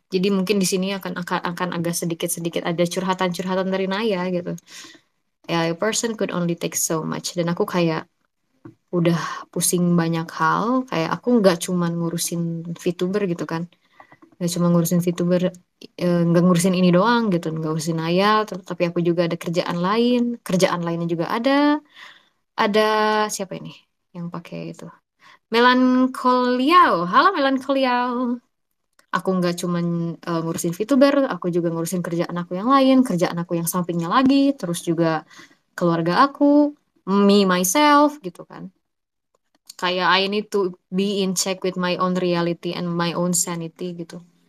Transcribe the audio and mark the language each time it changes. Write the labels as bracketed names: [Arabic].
[Indonesian] Jadi mungkin di sini akan agak sedikit-sedikit ada curhatan-curhatan dari Naya gitu. [English] Yeah, a person could only take so much. [Indonesian] Dan aku kayak udah pusing banyak hal. Kayak aku nggak cuman ngurusin VTuber gitu kan. Nggak cuma ngurusin VTuber. Nggak ngurusin ini doang gitu. Nggak ngurusin Naya. Tapi aku juga ada kerjaan lain. Kerjaan lainnya juga ada. Ada siapa ini yang pakai itu? Melankolia, halo Melankolia. Aku nggak cuma ngurusin VTuber, aku juga ngurusin kerjaan aku yang lain, kerjaan aku yang sampingnya lagi, terus juga keluarga aku, [English] me myself [Indonesian] gitu kan. [English] Kayak I need to be in check with my own reality and my own sanity gitu.